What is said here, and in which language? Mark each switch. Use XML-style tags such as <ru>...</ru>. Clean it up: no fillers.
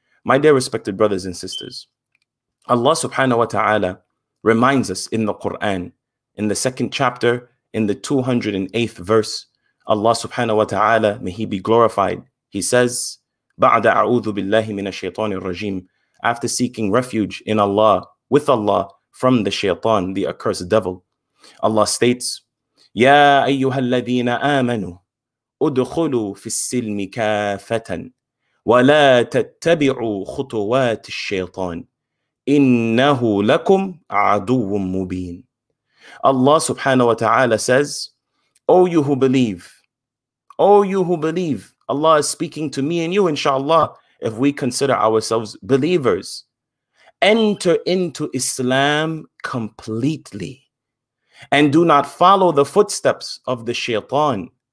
<en>My dear respected brothers and sisters, Allah subhanahu wa ta'ala reminds us in the Quran, in the second chapter, in the 208th verse, Allah subhanahu wa ta'ala, may he be glorified, he says,</en> <ar>بعد أعوذ بالله من الشيطان الرجيم,</ar> <en>after seeking refuge in Allah, with Allah, from the shaytan, the accursed devil.</en> <ar>Allah states, يَا أَيُّهَا الَّذِينَ آمَنُوا أُدْخُلُوا فِي السِّلْمِ كَافَةً وَلَا تَتَّبِعُوا خُطُوَاتِ الشَّيْطَانِ إِنَّهُ لَكُمْ عَدُوٌ مُّبِينٌ.</ar> <en>Allah subhanahu wa ta'ala says, O you who believe, O you who believe, Allah is speaking to me and you, inshallah, if we consider ourselves believers. Enter into Islam completely and do not follow the footsteps of the shaitan.</en>